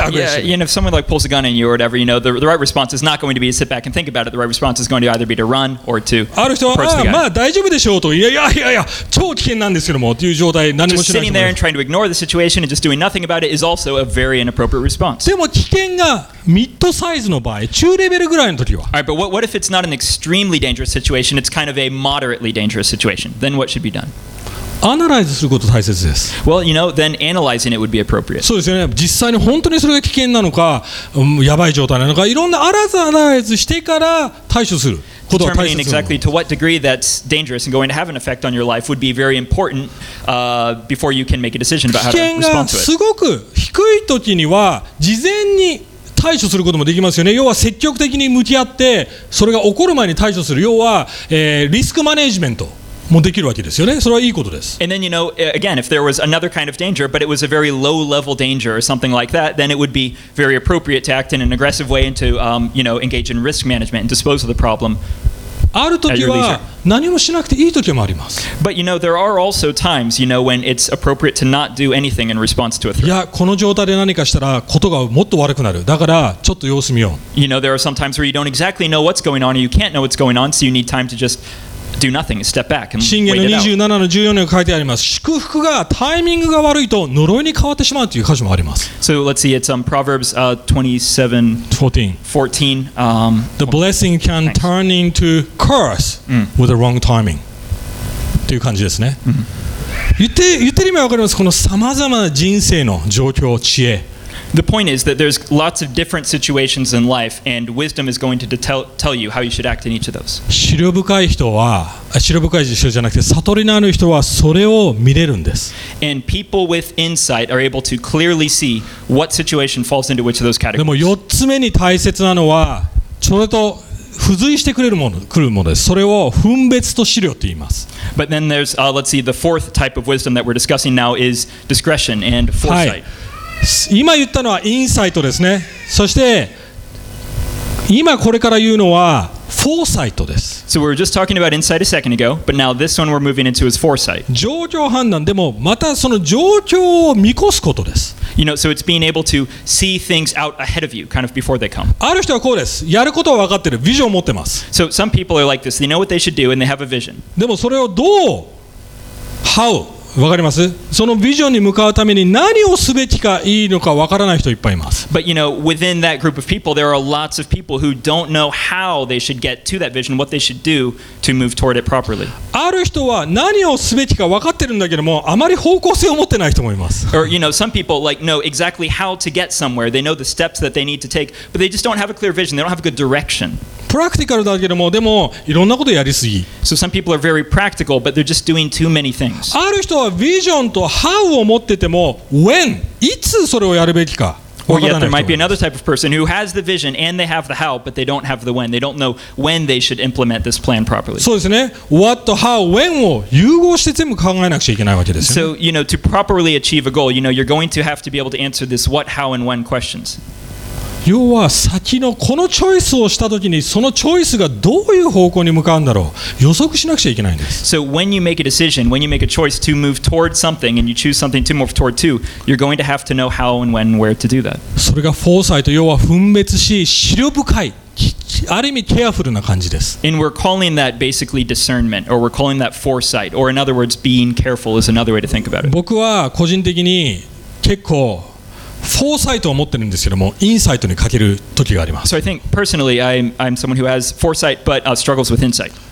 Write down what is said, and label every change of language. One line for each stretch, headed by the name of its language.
English: Yeah, and if someone like pulls a gun in you or whatever, you know, the right response is not going to be to sit back and think about it. The right response is going to either be to run or to approach the guy.
Japanese: ある人は、まあ大丈夫でしょうと、いや超危険なんですけどもという状態、何もしないと。
English: Just sitting there and trying to ignore the situation and just doing nothing about it is also a very inappropriate response.
Japanese: でも危険がミッドサイズの場合、中レベルぐらいの時は。
English: Alright, but what if it's not an extremely dangerous situation? It's kind of a moderately dangerous situation. Then what should be done?
Japanese: アナライズすること大切です。
English: Well, you know, then analyzing it would be appropriate.
Japanese: そうですよね。実際に本当にそれが危険なのか、やばい状態なのか、いろんなアナライズしてから対処する。
English: Determining exactly to what degree that's dangerous and going to have an effect on your life would be very important before you can make a decision about how to respond to it.
Japanese: 危険がすごく低い時には事前に対処することもできますよね。要は積極的に向き合ってそれが起こる前に対処する。要は、リスクマネジメント。もできるわけですよね。それはいいことです。
English: And then, you know, again, if there was another kind of danger, but it was a very low-level danger or something like that, then it would be very appropriate to act in an aggressive way and to, you know, engage in risk management and dispose of the problem at your leisure.
Japanese: ある時は何もしなくていい時もあります。
English: But, you know, there are also times, you know, when it's appropriate to not do anything in response to a threat.
Japanese: いや、この状態で何かしたらことがもっと悪くなる。だから、ちょっと様子見よう。
English: You know, there are some times where you don't exactly know what's going on or you can't know what's going on, so you need time to just... Do nothing. Step back and wait it out.
Japanese: 箴言の27の14に書いてあります。祝福がタイミングが悪いと呪いに変わってしまうという箇所もあります。
English: So let's see. It's Proverbs 27:14. The blessing can turn into curse with the wrong timing.
Japanese: という感じですね。言ってる意味はわかります。このさまざまな人生の状況、知恵。
English: The point is that there's lots of different situations in life, and wisdom is going to tell you how you should act in each of those.
Japanese: 思慮深い人は、思慮深い人じゃなくて、悟りのある人はそれを見れるんです。
English: And people with insight are able to clearly see what situation falls into which of those categories.
Japanese: でも4つ目に大切なのは、それと付随してくれるもの、来るものです。それを分別と思慮と言います。
English: But then there's, let's see, the fourth type of wisdom that we're discussing now is discretion and foresight.、
Japanese: はい今言ったのはインサイトですね。そして今これから言うのはフォーサイトです。
English: So we were just talking about insight a second ago, but now this one we're moving into is foresight.
Japanese: 状況判断でもまたその状況を見越すことです。
English: You know, so it's being able to see things out ahead of you, kind of before they come.
Japanese: ある人はこうです。やることは分かってる。ビジョンを持ってます。
English: So some people are like this. They know what they should do and they have a vision.
Japanese: でもそれをどう、how わかります？そのビジョンに向かうために何をすべきかいいのかわからない人いっぱいいます。
English: But you know, within that group of people, there are lots of people who don't know how they should get to that vision, what they should do to move toward it properly.
Japanese: ある人は何をすべきかわかってるんだけども、あまり方向性を持ってない人もいます。
English: Or you know, some people like know exactly how to get somewhere. They know the steps that they need to take, but they just don't have a clear vision. They don't have a good direction.
Japanese: プラクティカルだけども、でもいろんなことやりすぎ。
English: So some people are very practical, but they're just doing too many things.
Japanese: ある人はビジョンと how を持ってても、when、いつそれをやるべきか。
English: Or yet there might be another type of person who has the vision and they have the how, but they don't have the when. They don't know when they should implement this plan properly.
Japanese: そうですね。What, how, when を融合して全部考えなくちゃいけないわけですね。
English: So, you know, to properly achieve a goal, you know, you're going to have to be able to answer this what, how, and when questions.
Japanese: 要は先のこのチョイスをしたときにそのチョイスがどういう方向に向かうんだろう予測しなくちゃいけないんです。
English: So when you make a decision, when you make a choice to move toward something and you choose something to move toward to, you're going to have to know how and when and where to do that.
Japanese: それがフォーサイト、要は分別し、思慮深い、ある意味ケアフルな感じです。
English: And we're calling that basically discernment, or we're calling that foresight, or in other words, being careful is another way to think about it.
Japanese: 僕は個人的に結構フォーサイトを持ってるんですけども、インサイトに欠ける時があります。
English: So I think personally, I'm someone who has foresight, but struggles with insight.